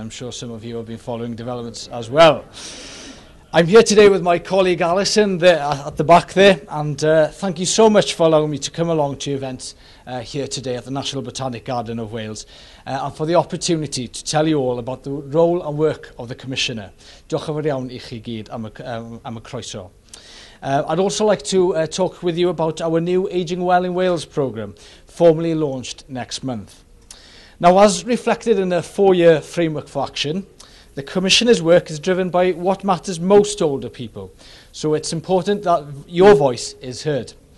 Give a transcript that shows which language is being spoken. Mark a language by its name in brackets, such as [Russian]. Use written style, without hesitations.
[English] I'm sure some of you have been following developments as well. I'm here today with my colleague Alison there at the back there, and thank you so much for allowing me to come along to your event here today at the National Botanic Garden of Wales, and for the opportunity to tell you all about the role and work of the Commissioner. [Welsh] Diolch yn fawr iawn I chi gyd am y croeso. [English] I'd also like to talk with you about our new Aging Well in Wales programme, formally launched next month. Now, as reflected in a four-year framework for action, the Commissioner's work is driven by what matters most to older people, so it's important that your voice is heard.